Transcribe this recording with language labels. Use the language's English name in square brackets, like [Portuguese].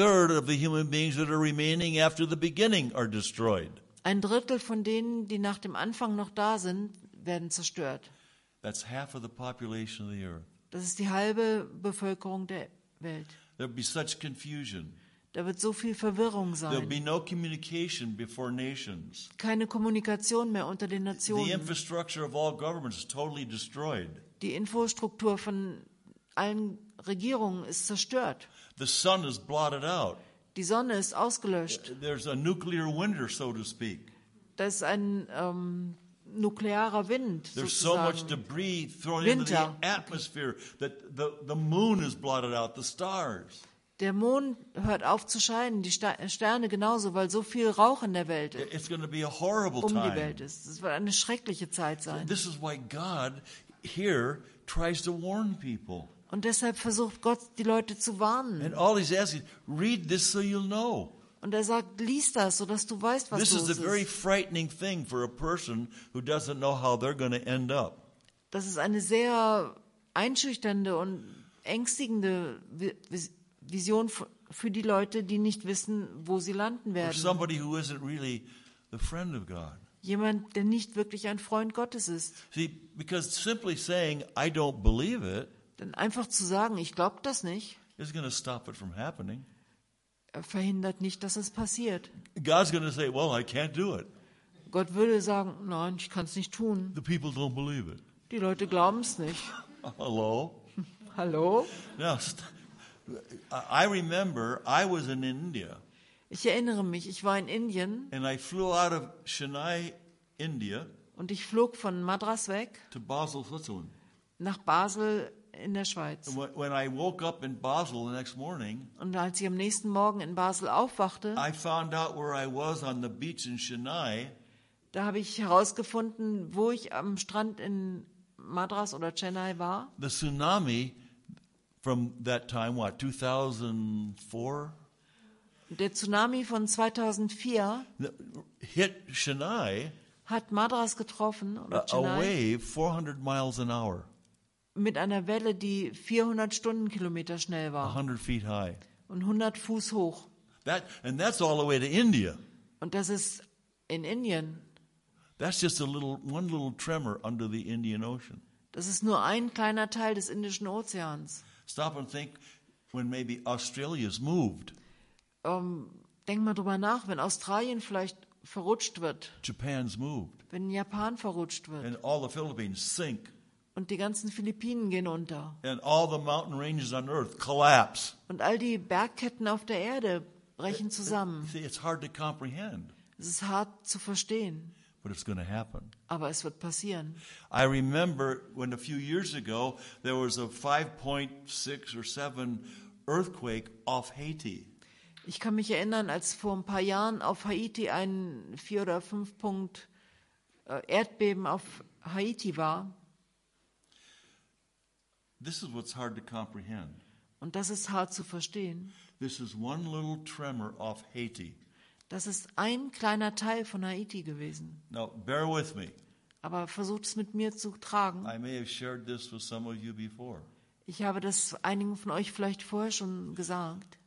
[English] A third of the human beings that are remaining after the beginning are destroyed. [German] Ein Drittel von denen, die nach dem Anfang noch da sind, werden zerstört. [English] That's half of the population of the earth. [German] Das ist die halbe Bevölkerung der Welt. [English] There'll be such confusion. [German] Da wird so viel Verwirrung sein. [English] There'll be no communication before nations. [German] Keine Kommunikation mehr unter den Nationen. [English] The infrastructure of all governments is totally destroyed. [German] Die Infrastruktur von allen Regierungen ist zerstört. [English] The sun is blotted out. [German] Die Sonne ist ausgelöscht. [English] There's a nuclear winter, so to speak. [German] Das ist ein nuklearer Wind. [English] There's [German] sozusagen [English] so much debris thrown into the atmosphere that the moon is blotted out, the stars. [German] Der Mond hört auf zu scheinen, die Sterne genauso, weil so viel Rauch in der Welt ist. [English] It's going to be a horrible time. [German] Um die Welt ist. Es wird eine schreckliche Zeit sein. [English] This is why God here tries to warn people. [German] Und deshalb versucht Gott, die Leute zu warnen. [English] And all he's asking, read this so you'll know. [German] Und er sagt, lies das, sodass du weißt, was [English] this [German] los ist. [English] This is a very frightening thing for a person who doesn't know how they're going to end up. [German] Das ist eine sehr einschüchternde und ängstigende Vision für die Leute, die nicht wissen, wo sie landen werden. [English] Or somebody who isn't really the friend of God. [German] Jemand, der nicht wirklich ein Freund Gottes ist. [English] See, because simply saying, I don't believe it, [German] denn einfach zu sagen, ich glaube das nicht, [English] is going to stop it from happening. [German] Verhindert nicht, dass es passiert. [English] God's going to say, well, I can't do it. [German] Gott würde sagen, nein, ich kann es nicht tun. [English] The people don't believe it. [German] Die Leute glauben es nicht. Hallo? Hallo? [English] I remember I was in India. [German] Ich erinnere mich, ich war in Indien. [English] And I flew out of Chennai, India. [German] Und ich flog von Madras weg. [English] To Basel, Switzerland. [German] Nach Basel in der Schweiz. [English] When I woke up in Basel the next morning. [German] Und als ich am nächsten Morgen in Basel aufwachte. [English] I found out where I was on the beach in Chennai. [German] Da habe ich herausgefunden, wo ich am Strand in Madras oder Chennai war. [English] The tsunami from that time, what, 2004? [German] Der Tsunami von 2004 [English] hit Chennai, [German] hat Madras getroffen, oder Chennai, [English] a wave 400 miles an hour. [German] Mit einer Welle, die 400 Stundenkilometer schnell war. [English] 100 feet high. [German] Und 100 Fuß hoch. [English] That, and that's all the way to India. [German] Und das ist in Indien. [English] That's just a little, one little tremor under the Indian Ocean. [German] Das ist nur ein kleiner Teil des Indischen Ozeans. [English] Stop and think when maybe Australia's moved. [German] Denk mal drüber nach, wenn Australien vielleicht verrutscht wird. [English] Japan's moved. [German] Wenn Japan verrutscht wird. [English] And all the Philippines sink. [German] Und die ganzen Philippinen gehen unter. [English] And all the mountain ranges on earth collapse. [German] Und all die Bergketten auf der Erde brechen zusammen. [English] See, it's hard to comprehend. [German] Es ist hart zu verstehen. [English] But it's going to happen. [German] Aber es wird passieren. [English] I remember when a few years ago there was a 5.6 or 7 earthquake off Haiti. [German] Ich kann mich erinnern, als vor ein paar Jahren auf Haiti ein 4 oder 5 Punkt Erdbeben auf Haiti war. [English] This is what's hard to comprehend. [German] Und das ist hart zu verstehen. [English] This is one little tremor off Haiti. [German] Das ist ein kleiner Teil von Haiti gewesen. [English] Now, bear with me. [German] Aber versucht es mit mir zu tragen. [English] I may have shared this with some of you before. [German] Ich habe das einigen von euch vielleicht vorher schon gesagt.